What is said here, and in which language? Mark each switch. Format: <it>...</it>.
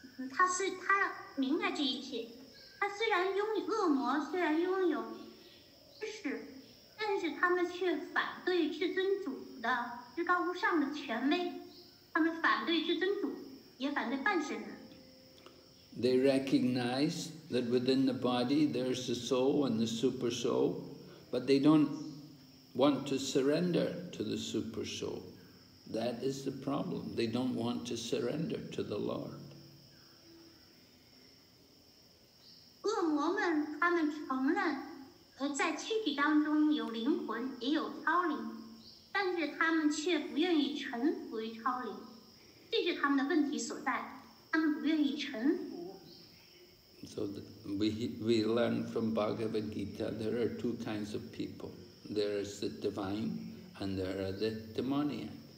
<zh>他明白这一切，他虽然拥有恶魔，虽然拥有知识，但是他们却反对至尊主的至高无上的权威，他们反对至尊主，也反对半神人。</zh> <en>They recognize that within the body there's the soul and the super soul, but they don't want to surrender to the super soul. That is the problem. They don't want to surrender to the Lord.</en> <zh>恶魔们，他们承认，在躯体当中有灵魂，也有超灵，但是他们却不愿意臣服于超灵，这是他们的问题所在。他们不愿意臣服。</zh> <en>So we learn from Bhagavad Gita, there are two kinds of people. There is the divine, and there are the demoniac.</en>